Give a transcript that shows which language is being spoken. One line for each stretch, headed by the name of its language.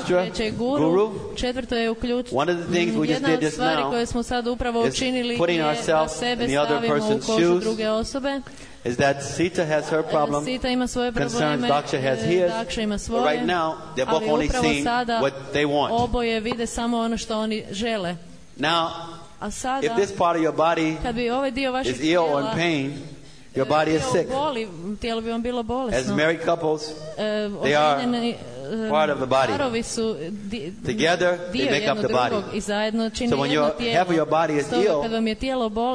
Croatian: treće je guru, četvrto je uključ.
English: One of the things we just did just now
Croatian: koje smo sad upravo učinili
English: putting ourselves in the other person's shoes.
Croatian: Druge osobe.
English: Is that Sita has her problem,
Croatian: Sita ima svoje
English: concerns Daksha has his, Daksha
Croatian: ima svoje,
English: but right now they're both only seeing what they want.
Croatian: Oboje vide samo ono što oni žele.
English: Now,
Croatian: a sada,
English: if this part of your body
Croatian: kad bi ovaj dio vašeg
English: is ill or in pain, your body is sick.
Croatian: Boli, tijelo bi vam bilo bolesno.
English: As married couples, they are part of the body. Together, they make up the body.
Croatian: I zajedno čini
English: so when
Croatian: jedno tijelo,
English: half of your body is ill,
Croatian: kad vam je tijelo bolesno,